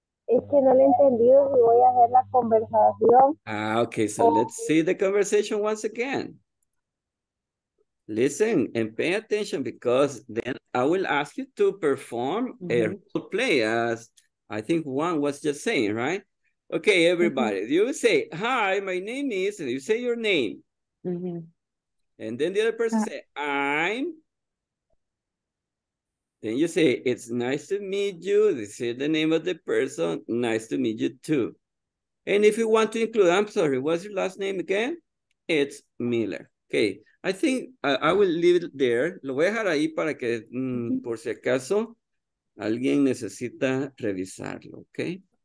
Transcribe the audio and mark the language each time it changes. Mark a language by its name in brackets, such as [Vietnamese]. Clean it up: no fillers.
[Spanish] Es que no lo he entendido y voy a ver la conversación. [English] Ah, okay, so let's see the conversation once again. Listen and pay attention because then I will ask you to perform mm-hmm. a role play as I think Juan was just saying, right? Okay, everybody, mm-hmm. you say, hi, my name is, and you say your name. Mm-hmm. And then the other person say, I'm. Then you say, it's nice to meet you. They say the name of the person. Nice to meet you too. And if you want to include, I'm sorry, what's your last name again? It's Miller. Okay. I think I will leave it there. [Spanish] Lo voy a dejar ahí para que, por si acaso, alguien necesita revisarlo, okay?